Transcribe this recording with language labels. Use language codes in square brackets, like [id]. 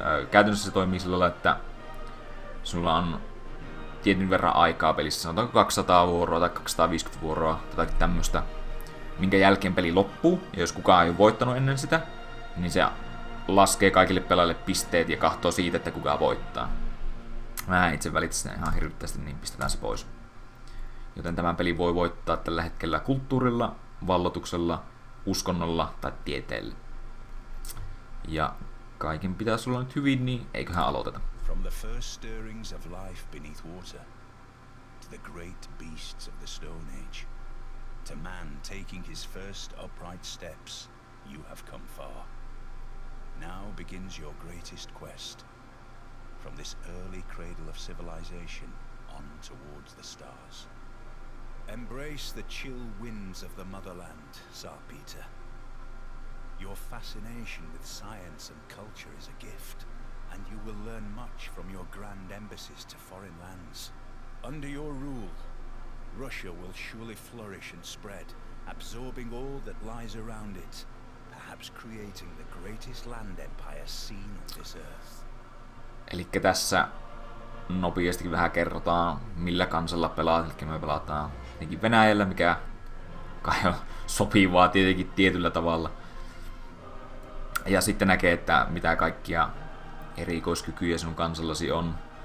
[fi] Käytännössä se toimii sillä lailla, että sulla on tietyn verran aikaa pelissä, sanotaanko 200 vuoroa tai 250 vuoroa tai tämmöistä, minkä jälkeen peli loppuu, ja jos kukaan ei ole voittanut ennen sitä, niin se laskee kaikille pelaajille pisteet ja kahtoo siitä, että kuka voittaa. Mä itse välitän ihan hirveästi, niin pistetään se pois. Joten tämän peli voi voittaa tällä hetkellä kulttuurilla, vallotuksella, uskonnolla tai tieteellä. Ja kaiken pitäisi olla nyt hyvin, niin eiköhän aloiteta. [en] From the first stirrings of life beneath water to the great beasts of the Stone Age to man taking his first upright steps, you have come far. Now begins your greatest quest. From this early cradle of civilization on towards the stars. Embrace the chill winds of the motherland, Sarpeeta. Your fascination with science and culture is a gift, and you will learn much from your grand embassies to foreign lands. Under your rule, Russia will surely flourish and spread, absorbing all that lies around it. Perhaps creating the greatest land empire seen on this earth. [fi] Elikkä tässä nopeasti vähän kerrotaan, millä kansalla pelaat, elikkä me pelataan tietenkin Venäjällä, mikä kai on sopivaa tietenkin tietyllä tavalla. Ja sitten näkee, että mitä kaikkia erikoiskykyjä sun kansallasi on.